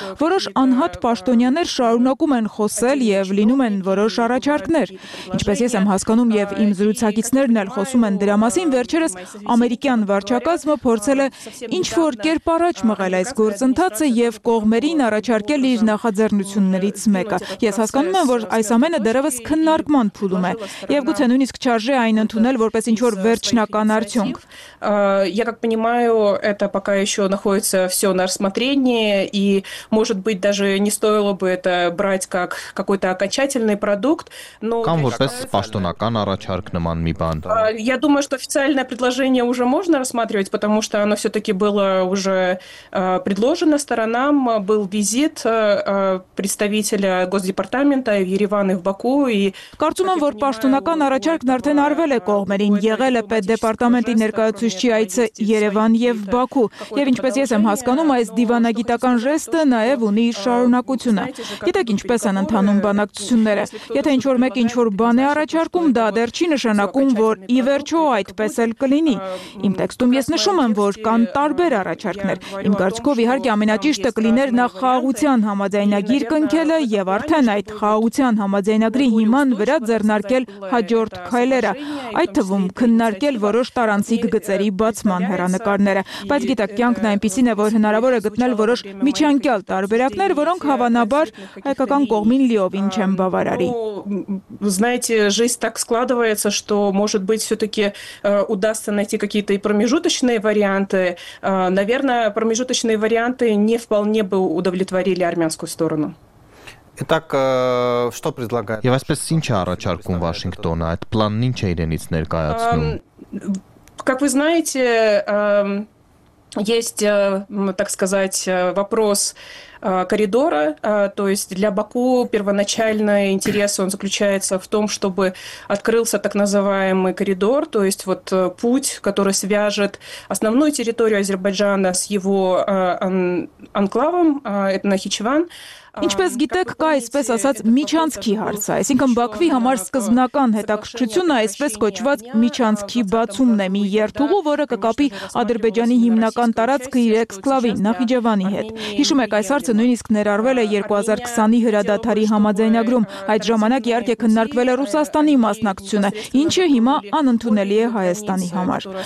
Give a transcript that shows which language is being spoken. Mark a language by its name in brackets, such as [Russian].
[Armenian] որոշ անհատ պաշտոնյաներ շարունակում են խոսել եւ լինում են որոշ առաջարկներ։ Ինչպես ես եմ հասկանում եւ իմ զրուցակիցներն էլ խոսում են դրա մասին, վերջերս ամերիկյան վարչակազմը փորձել է ինչ որ կերպ առաջ մղել այս գործընթացը եւ կողմերին առաջարկել իր նախաձեռնություններից մեկը։ Ես հասկանում եմ, որ այս ամենը դեռևս քննարկման փուլում է եւ գուցե նույնիսկ չարժե այն ընդունել որպես ինչ որ վերջնական արդյունք։ [Russian] Я как понимаю, это пока ещё находится всё на рассмотрении, и, может быть, даже не стоило бы это брать как какой-то окончательный продукт, [Armenian] но Кам որպես պաշտոնական առաջարկ նման մի բան։ [Russian] Я думаю, что официальное предложение уже можно рассматривать, потому что оно всё-таки было уже предложено сторонам, был визит представителя Госдепартамента в Ереван и в Баку, и [Armenian] Կարծում եմ, որ պաշտոնական առաջարկն արդեն արվել է կողմերին, եղել է Պետդեպարտամենտի ներկայացուցիչ չի այցը Երևան եւ Բաքու։ Եվ ինչպես ես եմ հասկանում, այս դիվանագիտական ժեստը նաեւ ունի իր շարունակությունը։ Գիտեք, ինչպես են ընթանում բանակցությունները։ Եթե ինչ-որ մեկը ինչ-որ բան է առաջարկում, դա դեռ չի նշանակում, որ ի վերջո այդպես էլ կլինի։ Իմ տեքստում ես նշում եմ, որ կան տարբեր առաջարկներ։ Իմ կարծիքով, իհարկե, ամենաճիշտը կլիներ նախ խաղաղության համաձայնագիր կնքելը եւ արդեն այդ խաղաղության համաձայնագրի հիման վրա ձեռնարկել հաջորդ քայլերը, այդ թվում քննարկել որոշ տարանցիկ գծերի բացման հեռանկարները, բայց գիտակ կյանքն այնպիսին է, որ հնարավոր է գտնել որոշ միջանկյալ տարբերակներ, որոնք հավանաբար հայկական կողմին լիովին չեն բավարարի։ [Russian] Знаете, жизнь так складывается, что, может быть, всё-таки удастся найти какие-то и промежуточные варианты. Наверное, промежуточные варианты не вполне бы удовлетворили армянскую сторону. Итак, что предлагает? [Armenian] Եվ այսպես ինչ է առաջարկում Վաշինգտոնը, այդ պլանն ինչ է իրենից ներկայացնում։ [Russian] Как вы знаете, есть, так сказать, вопрос коридора, то есть для Баку первоначальный интерес он заключается в том, чтобы открылся так называемый коридор, то есть вот путь, который свяжет основную территорию Азербайджана с его анклавом, это Нахичеван. [Armenian] Ինչպես գիտեք, կա այսպես ասած միջանցքի հարց, այսինքն Բաքվի համար սկզբնական հետաքրքրությունը այսպես կոչված միջանցքի բացումն է, մի երթուղու, որը կկապի Ադրբեջանի հիմնական տարածքը իր էքսկլավին Նախիջևանի հետ։ Հիշում եք, այս հարցը նույնիսկ ներառվել է 2020-ի հրադադարի համաձայնագրում, այդ ժամանակ իհարկե քննարկվել է Ռուսաստանի մասնակցությունը, ինչը հիմա անընդունելի է Հայաստանի համար։